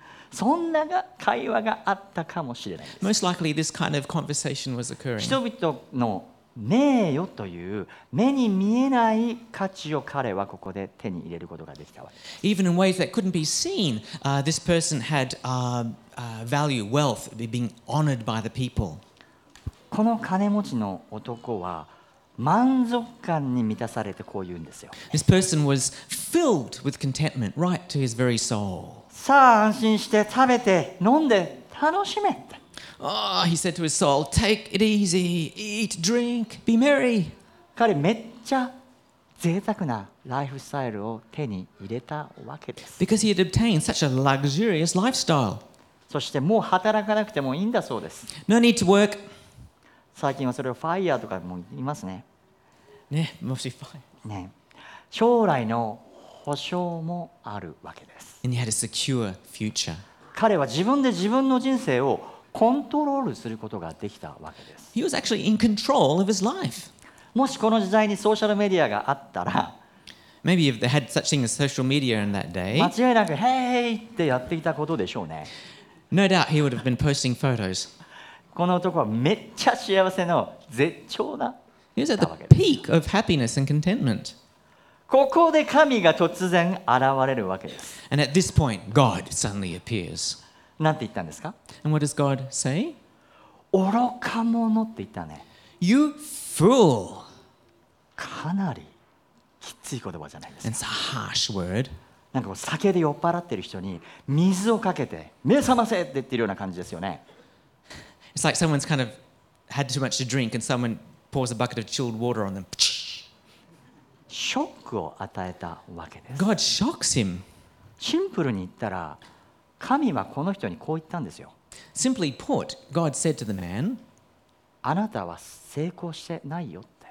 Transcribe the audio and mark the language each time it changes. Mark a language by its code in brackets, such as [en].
[ja] そんなが会話があったかもしれないです。 [en] Most likely, this kind of conversation was occurring. [ja] 人々の名誉という目に見えない価値を彼はここで手に入れることができたわけです。 [en] Even in ways that couldn't be seen, this person had value, wealth, being honored by the people. [ja] この金持ちの男は満足感に満たされてこう言うんですよ。 [en] This person was filled with contentment right to his very soul. [ja] さあ安心して食べて飲んで楽しめ。 [en] Oh, he said to his soul, take it easy, eat, drink, be merry. [ja] 彼めっちゃ贅沢なライフスタイルを手に入れたわけです。 [en] Because he had obtained such a luxurious lifestyle. [ja] そしてもう働かなくてもいいんだそうです。 [en] No need to work. [ja] 最近はそれをファイヤーとかも言いますね。ね、もしファイヤー。ね、将来の保証もあるわけです。 [en] And he had a secure future. [ja] 彼は自分で自分の人生をコントロールすることができたわけです。 [en] He was actually in control of his life. [ja] もしこの時代にソーシャルメディアがあったら、 [en] Maybe if they had such thing as social media in that day, [ja] 間違いなく、Hey! ってやっていたことでしょうね。 [en] No doubt he would have been posting photos. [ja] この男はめっちゃ幸せの絶頂だったわけです。 [en] He was at the peak of happiness and contentment. [ja] ここで神が突然現れるわけです。 [en] And at this point, God suddenly appears. [ja] なんて言ったんですか? [en] And what does God say? [ja] 愚か者って言ったね。 [en] You fool! [ja] かなりきつい言葉じゃないですか? [en] It's a harsh word. [ja] なんかこう酒で酔っ払ってる人に水をかけて目覚ませって言ってるような感じですよね。 [en] It's like someone's kind of had too much to drink and someone pours a bucket of chilled water on them. [ja] ショックを与えたわけです。 [en] God shocks him. [ja] シンプルに言ったら神はこの人にこう言ったんですよ。 [en] Simply put, God said to the man, [ja] あなたは成功してないよって。